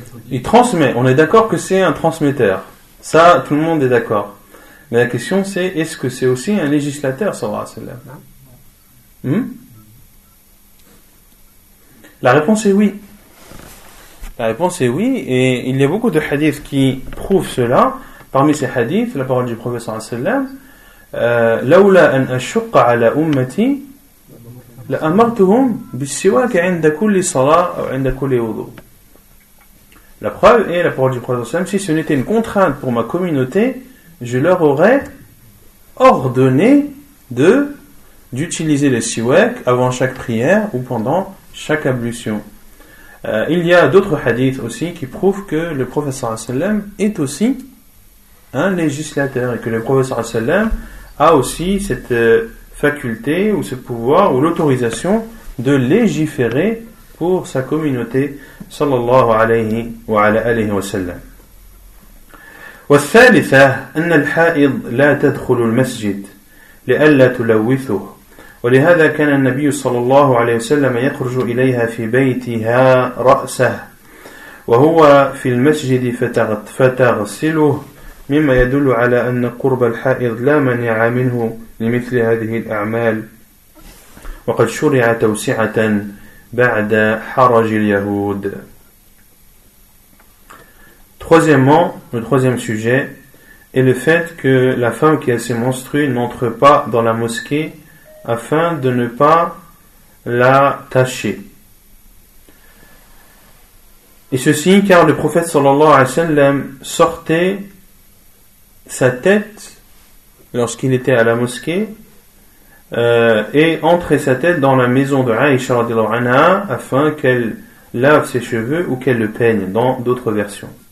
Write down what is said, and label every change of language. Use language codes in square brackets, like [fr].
[fr] Il transmet. On est d'accord que c'est un transmetteur. Ça, tout le monde est d'accord. Mais la question, c'est est-ce que c'est aussi un législateur, sallallahu alayhi wa sallam? La réponse est oui. La réponse est oui, et il y a beaucoup de hadiths qui prouvent cela. Parmi ces hadiths, la parole du prophète sallallahu alayhi wa sallam, [ar] لولا أن أشق على أمتي لأمرتهم بالسواك عند كل صلاة أو عند كل وضوء. [fr] La preuve est la parole du prophète sallallahu alayhi wa sallam, si ce n'était une contrainte pour ma communauté, je leur aurais ordonné d'utiliser le siwak avant chaque prière ou pendant chaque ablution. Il y a d'autres hadiths aussi qui prouvent que le prophète sallallahu alayhi wa sallam est aussi un législateur et que le prophète sallallahu alayhi wa sallam a aussi cette faculté ou ce pouvoir ou l'autorisation de légiférer pour sa communauté sallallahu alayhi wa alayhi wa sallam. [ar] والثالثة أن الحائض لا تدخل المسجد لئلا تلوثه ولهذا كان النبي صلى الله عليه وسلم يخرج إليها في بيتها رأسه وهو في المسجد فتغسله مما يدل على أن قرب الحائض لا منع منه لمثل هذه الأعمال وقد شرع توسعة بعد حرج اليهود. [fr] Troisièmement, le troisième sujet est le fait que la femme qui a ses menstrues n'entre pas dans la mosquée afin de ne pas la tâcher. Et ceci car le prophète sallallahu alayhi wa sallam sortait sa tête lorsqu'il était à la mosquée et entrait sa tête dans la maison de Aïcha radhiyallahu anha afin qu'elle lave ses cheveux ou qu'elle le peigne dans d'autres versions.